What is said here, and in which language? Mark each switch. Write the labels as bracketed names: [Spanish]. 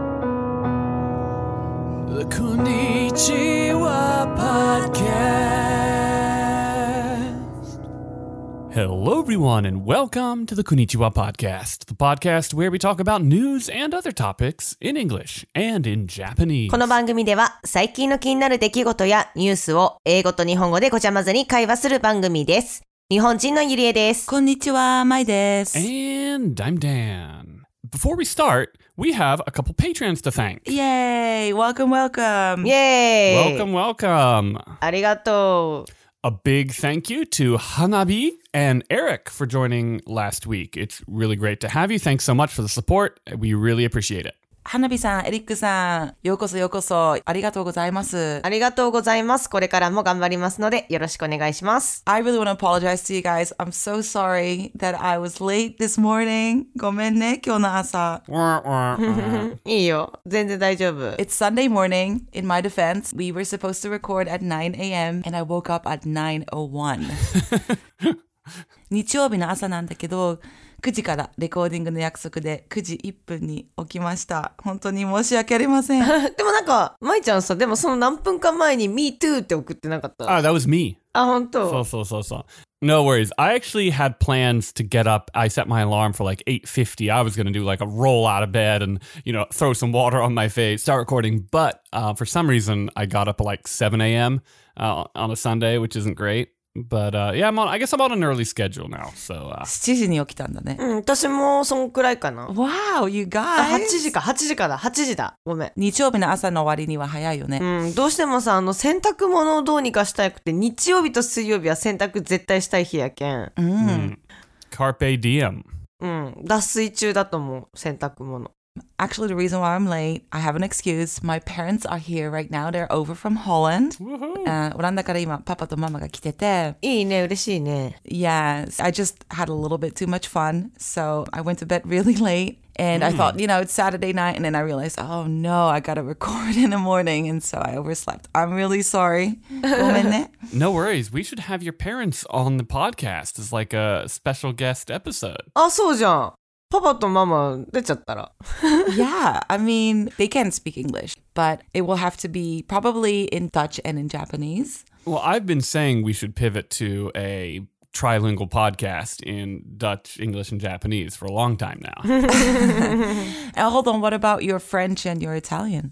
[Japanese] こんにちは、パッケース。 [English] Hello, everyone, and welcome to the こんにちは podcast, the podcast where we talk about news and other topics in English and in Japanese. [Japanese] この番組では最近の気になる出来事やニュースを英語と日本語でごちゃ混ぜに会話する番組です。日本人のゆりえです。こんにちは、まいです。 [English] And I'm Dan. Before we start,We have a couple patrons to thank. Yay! Welcome, welcome! Yay! Welcome, welcome! [Japanese] Arigato! [English] A big thank you to Hanabi and Eric for joining last week. It's really great to have you. Thanks so much for the support. We really appreciate it. [Japanese] Hanabi-san, Eric-san, ようこそようこそ。ありがとうございます。ありがとうございます。これからも頑張りますので、よろしくお願いします。 [English] I really want to apologize to you guys. I'm so sorry that I was late this morning. [Japanese] ごめんね、今日の朝。いいよ。全然大丈夫。 [English] It's Sunday morning. In my defense, we were supposed to record at 9 a.m. and I woke up at 9:01. [Japanese] 日曜日の朝なんだけど、9時からレコーディングの約束で9時1分に起きました。本当に申し訳ありません。でもなんか、まいちゃんさ、でもその何分か前に [English] Me Too [Japanese] って送ってなかった。 [English] あ、that was me. [Japanese] あ、本当。そうそうそうそう。 [English] No worries. I actually had plans to get up. I set my alarm for like 8:50. I was going to do like a roll out of bed and, you know, throw some water on my face, start recording. But、for some reason, I got up at like 7 a.m.、on a Sunday, which isn't great. But、yeah, I guess I'm on an early schedule now. So, [Japanese] 7時に起きたんだね。うん、私もそんくらいかな。 [English] Wow, you guys! [Japanese] 8時か、8時かだ、8時だ。ごめん。日曜日の朝の終わりには早いよね。うん、どうしてもさ、洗濯物をどうにかしたくて、日曜日と水曜日は洗濯絶対したい日やけん。うん。 [Latin] Carpe diem。 [Japanese] うん、脱水中だと思う、洗濯物。 [English] Actually, the reason why I'm late, I have an excuse. My parents are here right now. They're over from Holland. Woohoo! [Japanese] オランダから今パパとママが来てて。いいね、嬉しいね。 [English] Yes, I just had a little bit too much fun, so I went to bed really late. And I thought, you know, it's Saturday night, and then I realized, oh no, I gotta record in the morning, and so I overslept. I'm really sorry. [Japanese] ごめんね。 [English] No worries. We should have your parents on the podcast as like a special guest episode. [Japanese] あ、そうじゃん。パパとママ出ちゃったら [English] Yeah, I mean, they can speak English, but it will have to be probably in Dutch and in Japanese. Well, I've been saying we should pivot to a trilingual podcast in Dutch, English, and Japanese for a long time now. And hold on, what about your French and your Italian?